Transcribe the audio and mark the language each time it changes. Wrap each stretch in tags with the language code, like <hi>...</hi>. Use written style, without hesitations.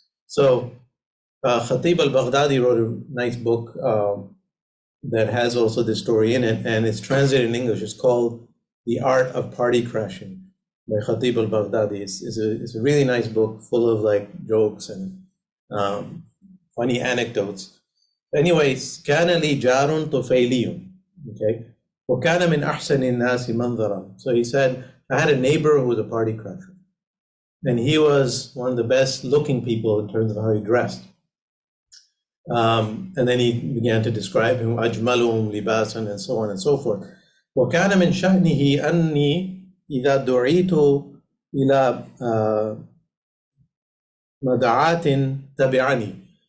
<en>So Khatib al-Baghdadi wrote a nice book that has also this story in it, and it's translated in English. It's called The Art of Party Crashing by Khatib al-Baghdadi. It's a really nice book full of like jokes and funny anecdotes. Anyways,</en> <ar>كَانَ لِي جَارٌ تُفَيْلِيٌ.</ar> <en>Okay.</en> <ar>وَكَانَ مِنْ أَحْسَنِ النَّاسِ مَنْظَرًا.</ar> <en>So he said, I had a neighbor who was a party crasher. And he was one of the best looking people in terms of how he dressed. And then he began to describe him,</en> <ar>أَجْمَلُهُمْ لِبَاسًا,</ar> <en>and so on and so forth.</en> <ar>وَكَانَ مِنْ شَأْنِهِ أَنِّي إِذَا دُعِيتُ إِلَى مَدَعَاتٍ تَبِعَنِي.</ar>